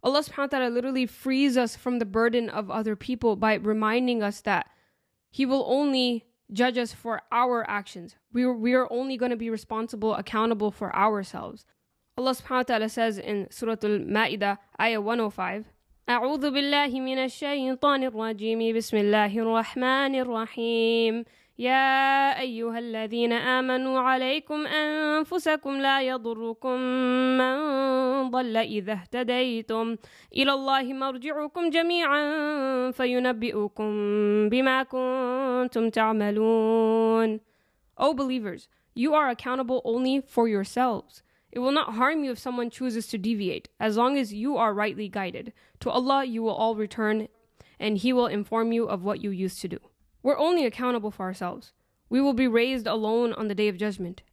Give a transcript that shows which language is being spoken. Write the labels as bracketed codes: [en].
[en] Allah subhanahu wa ta'ala literally frees us from the burden of other people by reminding us that He will only judge us for our actions. We are only going to be responsible, accountable for ourselves. Allah subhanahu wa ta'ala says in Surah Al-Ma'idah, ayah 105, [ar] أعوذ بالله من الشيطان الرجيم بسم الله الرحمن الرحيم يا أيها الذين آمنوا عليكم أنفسكم لا يضركم من ضل إذا اهتديتم إلى الله مرجعكم جميعا فينبئكم بما كنتم تعملون. [en] O believers, you are accountable only for yourselves. It will not harm you if someone chooses to deviate, as long as you are rightly guided. To Allah you will all return, and He will inform you of what you used to do. We're only accountable for ourselves. We will be raised alone on the Day of Judgment.